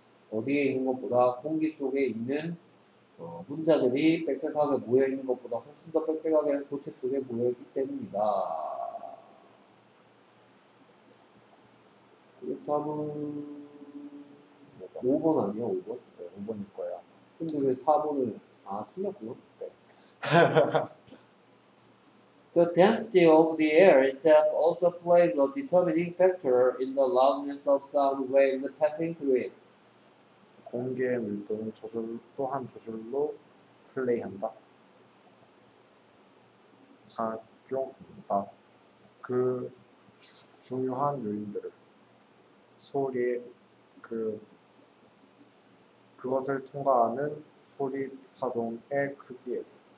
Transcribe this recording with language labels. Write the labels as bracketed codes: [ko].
[ko] 어디에 있는 것보다 공기 속에 있는 분자들이 빽빽하게 모여있는 것보다 훨씬 더 빽빽하게 고체 속에 모여있기 때문이다. 다음은 5번 아니야? 5번? 네, 5번일 거야. 근데 왜 4번을 아, 틀렸구나? 네. [en] The density of the air itself also plays a determining factor in the loudness of sound waves passing through it. [ko] 공기의 밀도는 조절 또한 조절로 플레이한다. 작용한다. 그 중요한 요인들을 소리의 그것을 통과하는 소리 파동의 크기에서.